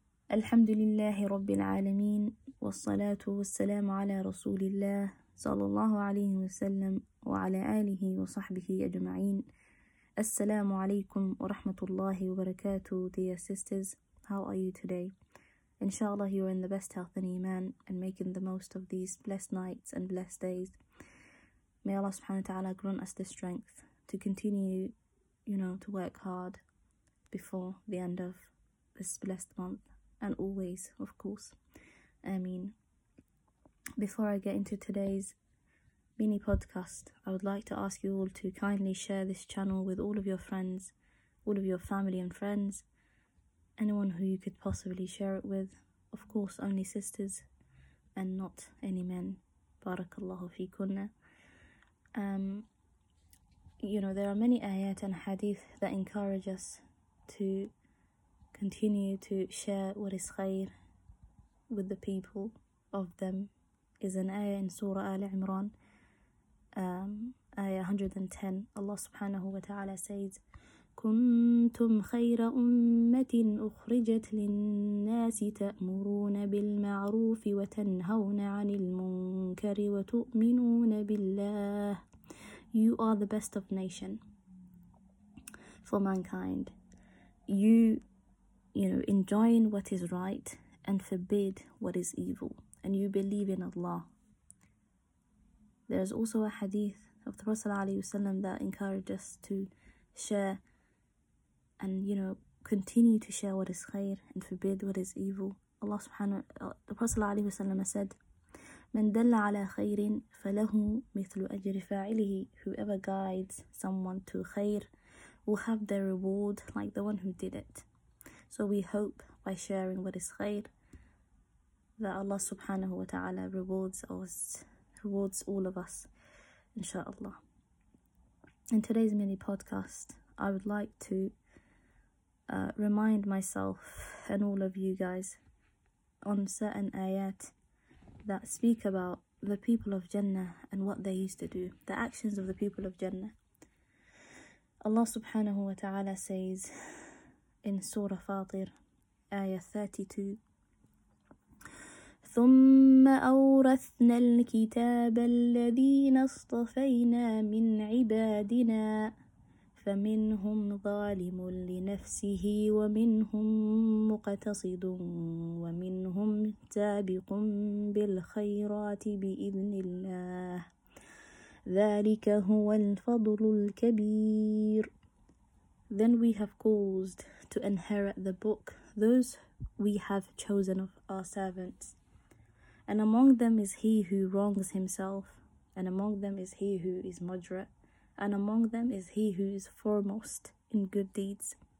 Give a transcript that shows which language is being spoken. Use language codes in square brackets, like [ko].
[ar] الحمد لله رب العالمين، والصلاة والسلام على رسول الله صلى الله عليه وسلم وعلى آله وصحبه أجمعين. السلام عليكم ورحمة الله وبركاته. [en] Dear sisters, how are you today? Inshallah, you are in the best health and iman and making the most of these blessed nights and blessed days. May Allah subhanahu wa ta'ala grant us the strength to continue, you know, to work hard before the end of this blessed month. And always, of course. Ameen. Before I get into today's mini podcast, I would like to ask you all to kindly share this channel with all of your friends, all of your family and friends, anyone who you could possibly share it with. Of course, only sisters and not any men. [ar] Barakallahu fi kunna. [en] You know, there are many ayat and hadith that encourage us to continue to share what is khair with the people of them. Is an ayah in Surah Al Imran, ayah 110. Allah subhanahu wa ta'ala says, [ar] كنتم خير أمة أخرجت للناس تأمرون بالمعروف وتنهون عن المنكر وتؤمنون بالله. [en] You are the best of nation for mankind. You enjoin what is right and forbid what is evil, and you believe in Allah. There is also a hadith of the Prophet ﷺ that encourages us to share and, you know, continue to share what is khair and forbid what is evil. Allah subhanahu wa ta'ala, the Prophet ﷺ said, [ar] من دل على خير فله مثل أجر فاعله. [en] Whoever guides someone to khair will have their reward like the one who did it. So we hope by sharing what is khair that Allah subhanahu wa ta'ala rewards all of us, inshaAllah. In today's mini podcast, I would like to remind myself and all of you guys on certain ayat that speak about the people of Jannah and what they used to do, the actions of the people of Jannah. Allah subhanahu wa ta'ala says in Surah Fatir, ayah 32, [ar] ثم أورثنا الكتاب الذين اصطفينا من عبادنا فمنهم ظالم لنفسه ومنهم مقتصد ومنهم سابق بالخيرات بإذن الله ذلك هو الفضل الكبير. [en] Then we have caused to inherit the book those we have chosen of our servants. And among them is he who wrongs himself, and among them is he who is moderate, and among them is he who is foremost in good deeds.